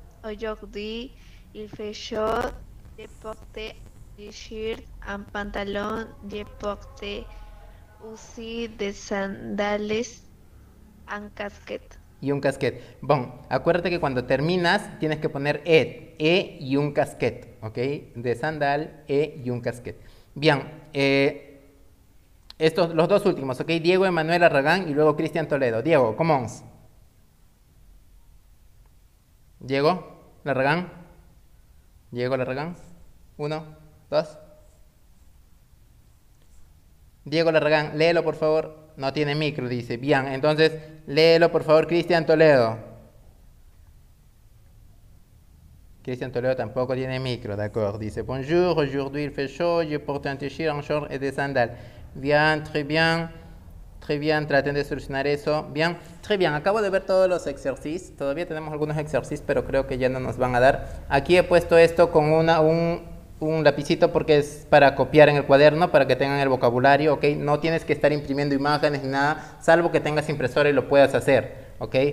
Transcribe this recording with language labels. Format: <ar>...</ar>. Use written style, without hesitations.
<fr>Aujourd'hui, il fait chaud. Je porte un t-shirt, un pantalon. Je porte aussi des sandales. Un casquet.</fr> <es>Y un casquet. Bon, acuérdate que cuando terminas tienes que poner e y un casquet, ¿ok? De sandal, e y un casquet. Bien, estos, los dos últimos, ¿ok? Diego Emanuel Arragán y luego Cristian Toledo. Diego, ¿cómo vamos? Diego, Larragán. Diego, Larragán. Uno, dos. Diego, Larragán, léelo por favor. No tiene micro, dice. Bien, entonces, léelo, por favor, Cristian Toledo. Cristian Toledo tampoco tiene micro, de acuerdo.</es> <fr>Dice, bonjour, aujourd'hui il fait chaud, je porte un t-shirt, un short et des sandales. Bien, très bien. Très bien,</fr> <es>traten de solucionar eso.</es> <fr>Bien, très bien.</fr> <es>Acabo de ver todos los ejercicios. Todavía tenemos algunos ejercicios, pero creo que ya no nos van a dar. Aquí he puesto esto con un lapicito porque es para copiar en el cuaderno, para que tengan el vocabulario, ¿ok? No tienes que estar imprimiendo imágenes ni nada, salvo que tengas impresora y lo puedas hacer, ¿ok?</es>